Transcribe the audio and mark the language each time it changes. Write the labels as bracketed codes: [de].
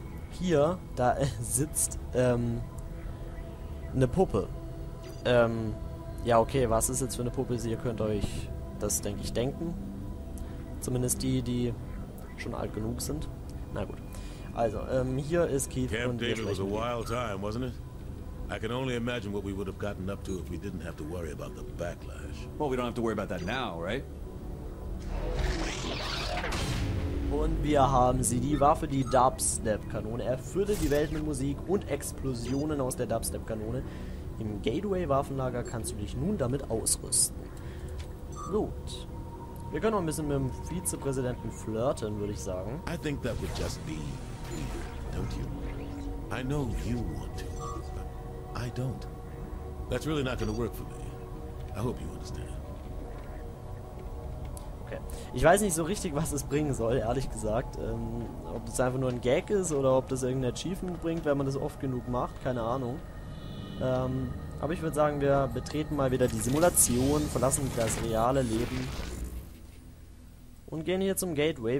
[de] Hier, da sitzt eine Puppe. Ja, okay, was ist jetzt für eine Puppe? Ihr könnt euch das, denke ich, denken. Zumindest die, die schon alt genug sind. Na gut. Also, hier ist Keith und wir sprechen mit ihm. [en] I can only imagine what we would have gotten up to if we didn't have to worry about the backlash. Well, we don't have to worry about that now, right? Und wir haben sie, die Waffe, die Dubstep-Kanone. Erfülle die Welt mit Musik und Explosionen aus der Dubstep-Kanone. Im Gateway-Waffenlager kannst du dich nun damit ausrüsten. Gut. Wir können noch ein bisschen mit dem Vizepräsidenten flirten, würde ich sagen. I think that would just be weird, don't you? I know you want to. I don't. That's really not gonna work for me. I hope you understand. Okay. [de] Ich weiß nicht so richtig, was es bringen soll, ehrlich gesagt. Ob das einfach nur ein Gag ist oder ob das irgendein Achievement bringt, wenn man das oft genug macht. Keine Ahnung. Aber ich würde sagen, wir betreten mal wieder die Simulation, verlassen das reale Leben und gehen hier zum Gateway.